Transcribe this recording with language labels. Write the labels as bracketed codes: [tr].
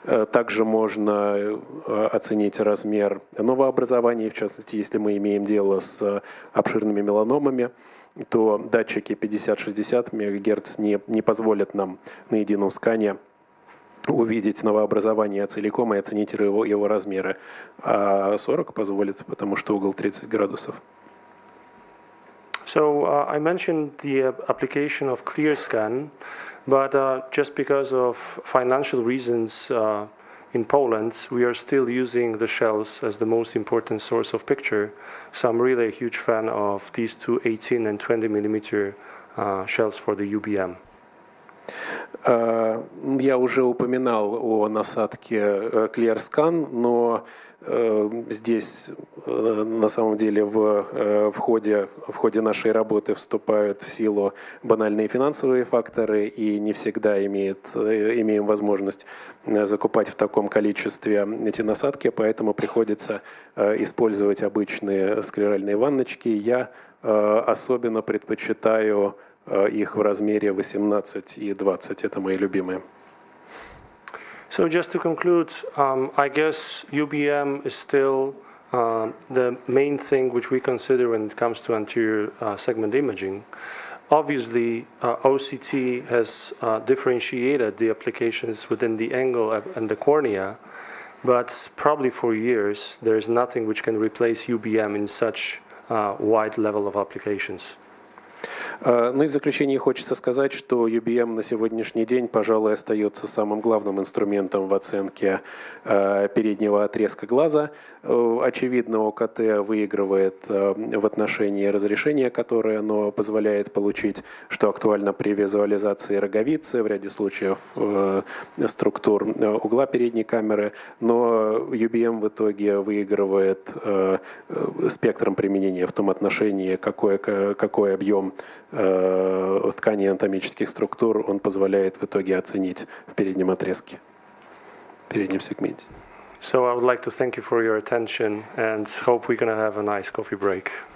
[ru] Также можно оценить размер новообразования, в частности, если мы имеем дело с обширными меланомами, то датчики 50-60 МГц не позволят нам на едином скане увидеть новообразование целиком и оценить его размеры. А 40 позволит, потому что угол 30 градусов. [en] So, I mentioned the application of clear scan, but just because of financial reasons in Poland, we are still using the shells as the most important source of picture. So I'm really a huge fan of these two 18 and 20 millimeter shells for the UBM. [ru] Я уже упоминал о насадке Clear Scan, но здесь на самом деле в ходе нашей работы вступают в силу банальные финансовые факторы, и не всегда имеем возможность закупать в таком количестве эти насадки, поэтому приходится использовать обычные склеральные ванночки. Я особенно предпочитаю их в размере 18 и 20. Это мои любимые. [en] So just to conclude, I guess UBM is still the main thing which we consider when it comes to anterior segment imaging. Obviously, OCT has differentiated the applications within the angle and the cornea, but probably for years there is nothing which can replace UBM in such wide level of applications. [ru] Ну и в заключение хочется сказать, что UBM на сегодняшний день, пожалуй, остается самым главным инструментом в оценке переднего отрезка глаза. Очевидно, ОКТ выигрывает в отношении разрешения, которое оно позволяет получить, что актуально при визуализации роговицы, в ряде случаев структур угла передней камеры, но UBM в итоге выигрывает спектром применения в том отношении, какой объем ткани анатомических структур он позволяет в итоге оценить в переднем отрезке, в переднем сегменте. [en] So I would like to thank you for your attention and hope we're going to have a nice coffee break.